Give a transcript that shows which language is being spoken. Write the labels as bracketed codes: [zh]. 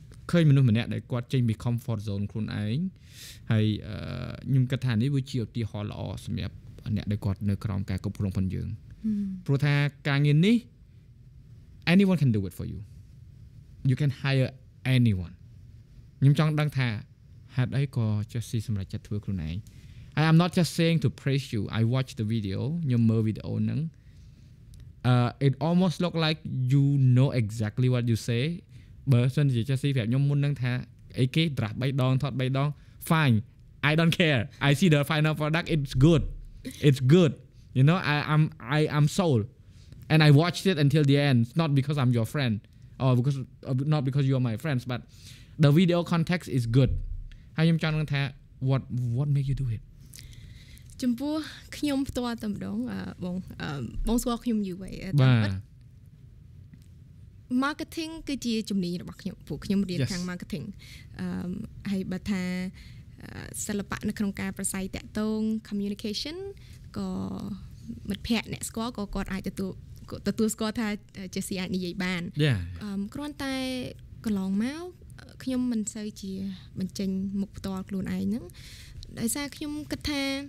[km] ឃើញមនុស្សម្នាក់ដែលគាត់ចេញពី comfort zone ខ្លួនឯងហើយខ្ញុំគិតថានេះវាជាឧទាហរណ៍ល្អសម្រាប់អ្នកដែលគាត់នៅក្រោមការគ្រប់គ្រងរបស់យើងព្រោះថាការងារនេះ [en] anyone can do it for you you can hire anyone [km] ខ្ញុំចង់ដឹងថាហេតុអីក៏ Jesse សម្រេចចិត្តធ្វើខ្លួនឯង [en] I am not just saying to praise you. I watched the video. [km] ញោមមើលវីដេអូហ្នឹង [en] it almost look like you know exactly what you say. [km] បើសិនជាចេះស៊ីប្រាប់ខ្ញុំមុនហ្នឹងថាអីគេត្រាស់3ដងថត់3ដង [en] fine. I don't care. I see the final product. It's good. It's good. You know, I am sold. And I watched it until the end. It's not because I'm your friend or not because you are my friends, but the video context is good. [km] ហើយខ្ញុំចង់នឹងថា [en] What make you do it? [km] ចំពោះខ្ញុំផ្ទាល់តែម្ដងបងបងស្គាល់ខ្ញុំយូរហើយ តែ marketing គឺជាជំនាញរបស់ខ្ញុំពួកខ្ញុំរៀនខាង marketing ហើយបើថាសិល្បៈនៅក្នុងការប្រស័យតាក់ទង communication ក៏មិត្តភ័ក្ដិអ្នកស្គាល់ក៏គាត់អាចទទួលស្គាល់ថា Jessie អាចនិយាយបានគ្រាន់តែកន្លងមកខ្ញុំមិនសូវជាបញ្ចេញមុខផ្ទាល់ខ្លួនឯងហ្នឹងដោយសារខ្ញុំគិតថា